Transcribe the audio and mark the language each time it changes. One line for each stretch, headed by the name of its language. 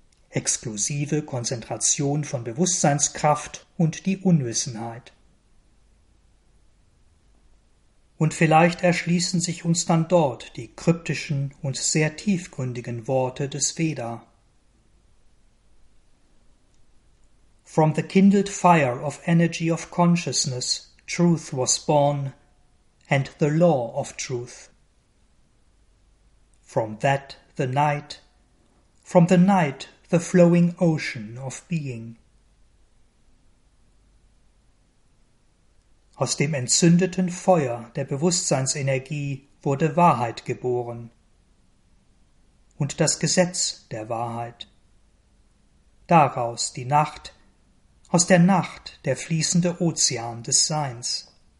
German: exklusive Konzentration von Bewusstseinskraft und die Unwissenheit. Und vielleicht erschließen sich uns dann dort die kryptischen und sehr tiefgründigen Worte des Veda.
English: From the kindled fire of energy of consciousness, truth was born, and the law of truth. From that, the night. From the night, the flowing ocean of being.
German: Aus dem entzündeten Feuer der Bewusstseinsenergie wurde Wahrheit geboren. Und das Gesetz der Wahrheit. Daraus die Nacht, aus der Nacht der fließende Ozean des Seins.